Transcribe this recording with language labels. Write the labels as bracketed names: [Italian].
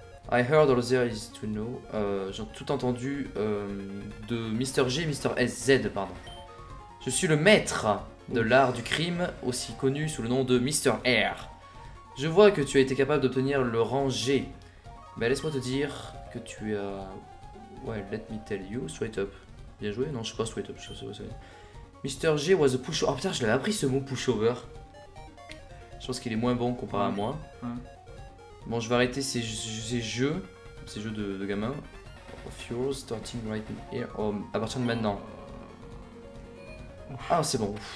[English] I heard all there is to know. [French] J'ai tout entendu de Mr. G, Mr. SZ, pardon. Je suis le maître de l'art du crime, aussi connu sous le nom de Mr. R. Je vois que tu as été capable d'obtenir le rang G. Mais laisse-moi te dire que tu as... [English] Ouais, let me tell you, straight up. [French] Bien joué. Non, je sais pas, straight up, je sais pas, c'est... [English] Mr. G was a pushover. [French] Oh putain, je l'avais appris ce mot, pushover. Je pense qu'il est moins bon comparé à moi. Ouais. Bon, je vais arrêter ces jeux de gamins. [English] Of yours, starting right here, [French] à partir de maintenant. Ouf. Ah, c'est bon.